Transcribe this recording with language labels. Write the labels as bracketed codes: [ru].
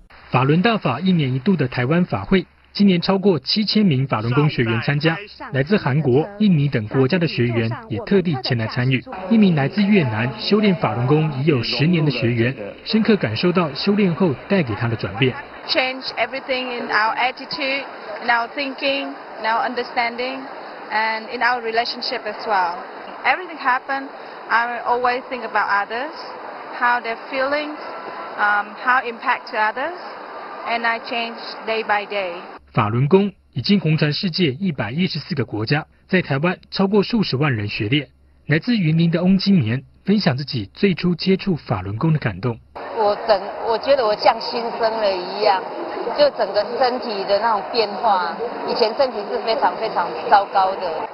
[zh] 法轮大法一年一度的台湾法会，今年超过7000名法轮功学员参加，来自韩国、印尼等国家的学员也特地前来参与。一名来自越南修炼法轮功已有10年的学员，深刻感受到修炼后带给他的转变。 [en] Change everything in our attitude, in our thinking, in our understanding, and in our relationship as well. Everything happened. I always think about others, how their feelings, how impact to others. And I change day by day. [zh] 法轮功已经红传世界114个国家，在台湾超过数十万人学练。来自云林的翁金棉分享自己最初接触法轮功的感动。我觉得我像新生了一样，就整个身体的那种变化，以前身体是非常非常糟糕的。